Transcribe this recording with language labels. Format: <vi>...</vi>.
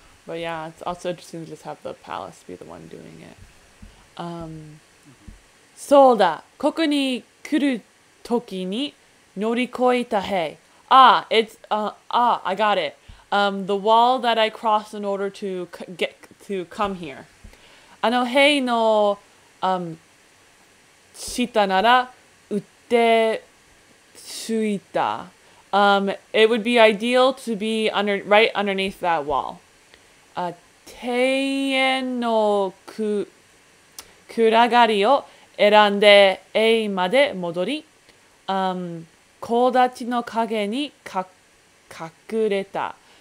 <en>But yeah, it's also interesting to just have the palace be the one doing it.</en> <ja>そうだ。ここに来る時に乗り越えた塀。</ja> <en>I got it. The wall that I crossed in order to get to come here.</en> <ja>あの塀の下なら打って着いた。</ja> <en>It would be ideal to be right underneath that wall.</en> <ja>庭園の暗がりを選んで塀まで戻り、木立の影に隠れた。</ja>